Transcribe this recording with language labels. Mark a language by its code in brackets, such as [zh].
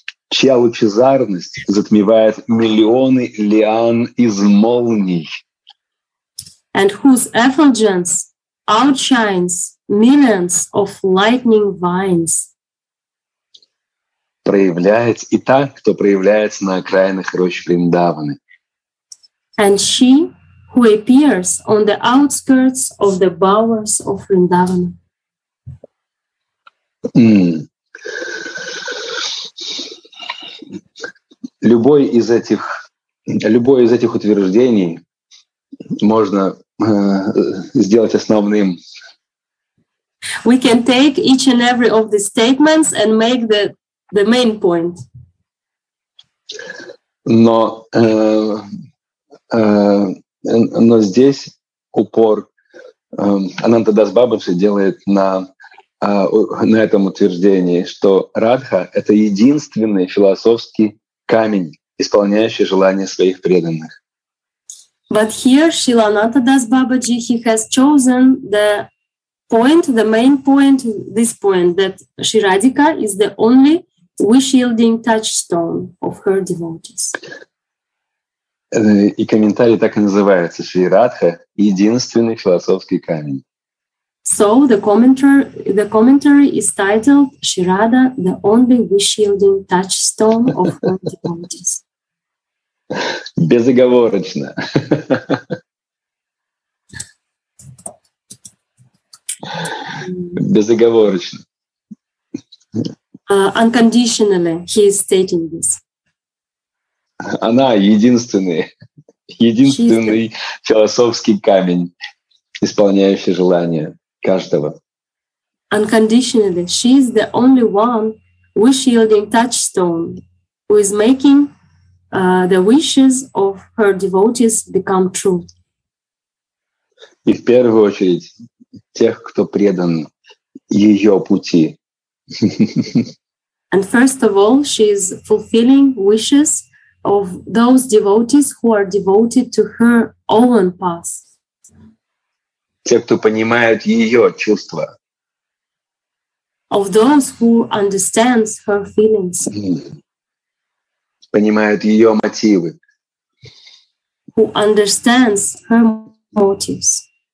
[ru] Чья лучезарность затмевает миллионы лиан из молний. [en] And whose effulgence outshines millions of lightning vines. [ru] Проявляется и та, кто проявляется на окраинах рощ Вриндаваны. [en] And she who appears on the outskirts of the bowers of Vrindavana. [ru] Любое из этих утверждений можно сделать основным. [en] We can take each and every of the statements and make the main point. [ru] Но здесь упор Ананта Дас Бабаджи делает на этом утверждении, что Радха — это единственный философский камень, исполняющий желания своих преданных. [en] But here Srila Ananta Das Babaji, he has chosen the point, the main point, this point, that Sri Radhika is the only wish-yielding touchstone of her devotees. [ru] И комментарий так и называется: Шри Радха — единственный философский камень. [en] So the commentary is titled Shri Radha, the only wish-yielding touchstone of her devotees. [ru] Безоговорочно. Безоговорочно. [en] Unconditionally, he is stating this. [ru] Она единственный философский камень, исполняющий желания каждого. [en] Unconditionally, she is the only one wish-yielding touchstone, who is making the wishes of her devotees become true. [ru] И в первую очередь тех, кто предан ее пути. [en] And first of all, she is fulfilling wishes of those devotees who are devoted to her own path. [ru] Те, кто понимают ее чувства. [en] Of those who understand her feelings. [ru] Понимают ее мотивы. [en] Who understands her motives.